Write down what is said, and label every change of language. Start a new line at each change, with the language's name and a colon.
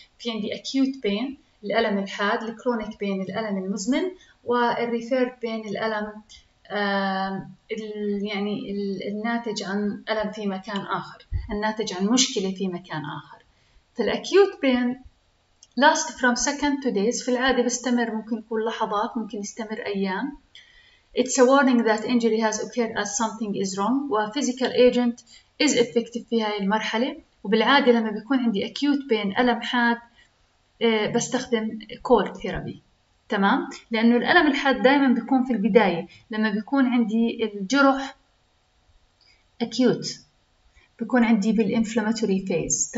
Arabic: في عندي acute pain، الألم الحاد، الكرونيك بين الألم المزمن، والريفيرد بين الألم يعني الناتج عن ألم في مكان آخر، الناتج عن مشكلة في مكان آخر. في الأكيوت بين
English: last from second to days
Arabic: في العادة بستمر، ممكن يكون لحظات، ممكن يستمر أيام.
English: It's a warning that injury has occurred as something is wrong. وphysical agent is effective
Arabic: في هاي المرحلة. وبالعادة لما بيكون عندي acute pain ألم حاد بستخدم cold therapy. تمام؟ لأنه الألم الحاد دائما بيكون في البداية لما بيكون عندي الجرح acute، بيكون عندي بالinflammatory phase.